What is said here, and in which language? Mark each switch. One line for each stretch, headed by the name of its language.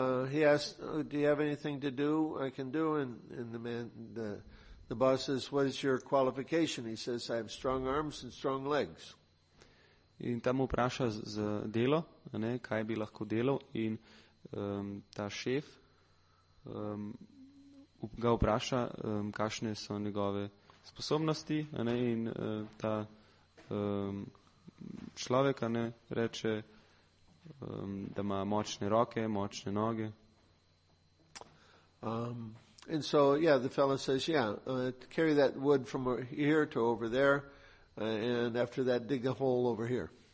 English: He asked, do you have anything to do? I can do. And the man, the boss says, what is your qualification? He says, I have strong arms and strong legs.
Slovenian: In tam vpraša za delo, ne, kaj bi lahko delal. In ta šef ga vpraša, kakšne so njegove sposobnosti, ne, in ta človek, ne, reče, da ima močne roke, močne noge.
English: And so, yeah, the fellow says, yeah, carry that wood from here to over there, and after that dig a hole over here.